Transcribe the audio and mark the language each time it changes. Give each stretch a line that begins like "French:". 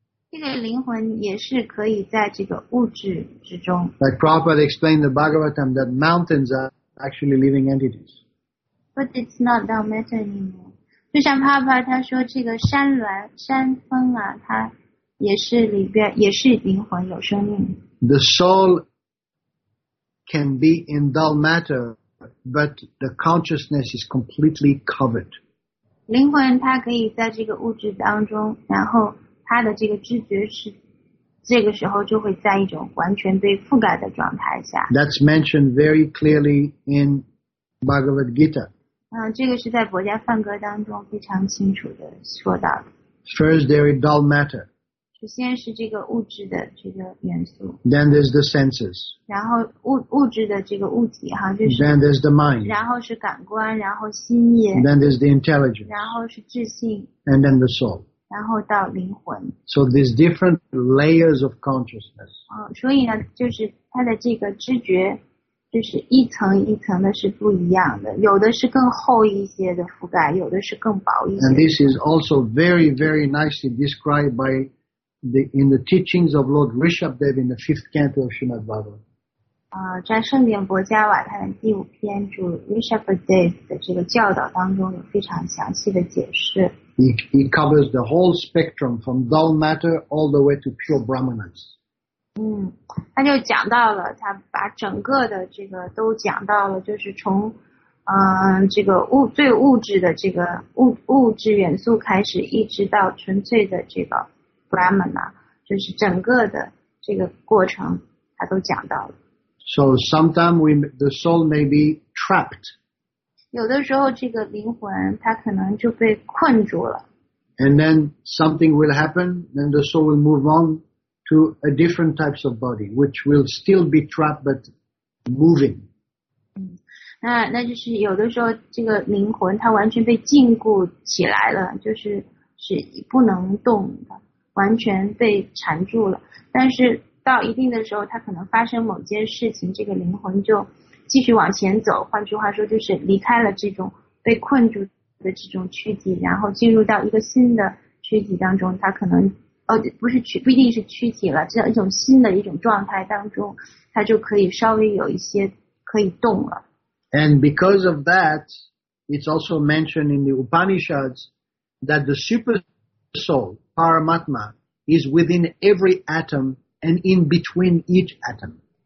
Chinese: 这个灵魂也是可以在这个物质之中。
English: Like Prabhupada explained the Bhagavatam that mountains are actually living entities. But it's not dull matter anymore.
Chinese: 就像帕帕他说这个山峰啊，它也是里边也是灵魂有生命。
English: The soul can be in dull matter, but the consciousness is completely covered.
Chinese: 灵魂它可以在这个物质当中，然后它的这个知觉是这个时候就会在一种完全被覆盖的状态下。
English: That's mentioned very clearly in Bhagavad Gita.
Chinese: 这个是在佛家梵歌当中非常清楚的说到的。
English: First, there is dull matter.
Chinese: 首先是这个物质的这个元素。
English: Then there's the senses.
Chinese: 然后物质的这个物体哈，就是。
English: Then there's the mind.
Chinese: 然后是感官，然后心业。
English: Then there's the intelligence.
Chinese: 然后是智性。
English: And then the soul.
Chinese: 然后到灵魂。
English: So there's different layers of consciousness.
Chinese: 所以呢，就是它的这个知觉。就是一层一层的是不一样的，有的是更厚一些的覆盖，有的是更薄一些。
English: And this is also very, very nicely described by in the teachings of Lord Rishabdev in the fifth canto of Srimad Bhagavatam.
Chinese: 在圣典博加瓦他的第五篇主 Rishabdev 的这个教导当中有非常详细的解释。
English: He covers the whole spectrum from dull matter all the way to pure brahmanas.
Chinese: 他就讲到了，他把整个的这个都讲到了，就是从这个最物质的这个物质元素开始，一直到纯粹的这个 Brahmana， 就是整个的这个过程他都讲到了。
English: So sometimes the soul may be trapped.
Chinese: 有的时候这个灵魂它可能就被困住了。
English: And then something will happen, then the soul will move on. To a different types of body, which will still be trapped but moving.
Chinese: 那就是有的时候这个灵魂它完全被禁锢起来了，就是不能动的，完全被缠住了。但是到一定的时候，它可能发生某件事情，这个灵魂就继续往前走。换句话说，就是离开了这种被困住的这种躯体，然后进入到一个新的躯体当中，它可能。不一定是躯体了，这样一种新的一种状态当中，它就可以稍微有一些可以动了。
English: And because of that, it's also mentioned in the Upanishads that the super soul, Paramatma, is within every atom and in between each atom.